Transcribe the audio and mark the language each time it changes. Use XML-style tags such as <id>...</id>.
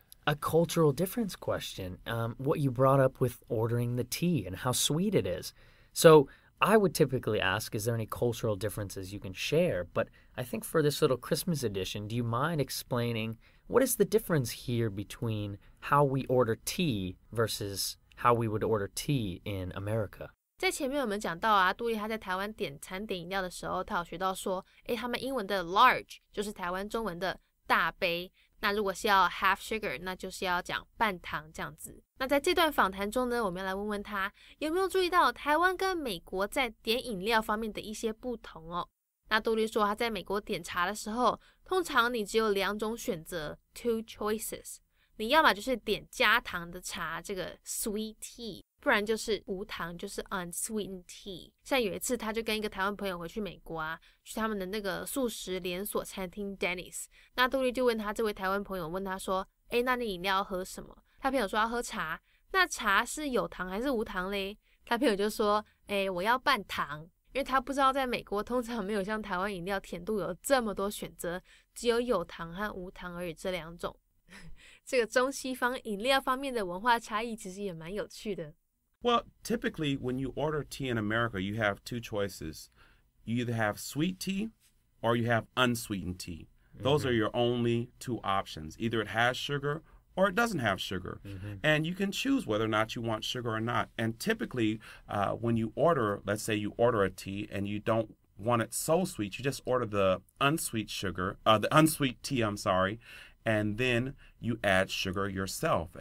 <en>a cultural difference question, what you brought up with ordering the tea and how sweet it is. So I would typically ask, is there any cultural differences you can share? But I think for this little Christmas edition, do you mind explaining what is the difference here between how we order tea versus how we would order tea in America?</en> <zh>在前面我们讲到啊，杜力他在台湾点餐点饮料的时候，他有学到说，诶，他们英文的 large 就是台湾中文的大杯。那如果是要</zh> <en>half sugar，</en> <zh>那就是要讲半糖这样子。那在这段访谈中呢，我们要来问问他有没有注意到台湾跟美国在点饮料方面的一些不同哦。那杜力说他在美国点茶的时候，通常你只有两种选择</zh> <en>two choices，</en> <zh>你要么就是点加糖的茶，这个</zh> <en>sweet tea，</en> <zh>不然就是无糖，就是</zh> <en>unsweetened tea。</en> <zh>像有一次他就跟一个台湾朋友回去美国啊，去他们的那个素食连锁餐厅 Dennis， 那杜力就问他这位台湾朋友，问他说，哎，那你饮料喝什么？他朋友说要喝茶，那茶是有糖还是无糖嘞？他朋友就说，哎，我要半糖。因为他不知道在美国通常没有像台湾饮料甜度有这么多选择，只有有糖和无糖而已这两种。这个中西方饮料方面的文化差异其实也蛮有趣的。</zh> <en>Well, typically when you order tea in America, you have two choices. You either have sweet tea or you have unsweetened tea. Those are your only two options. Either it has sugar or it doesn't have sugar. And you can choose whether or not you want sugar or not. And typically, when you order, let's say you order a tea and you don't want it so sweet, you just order the unsweet sugar, the unsweet tea, I'm sorry, and then you add sugar yourself.</en>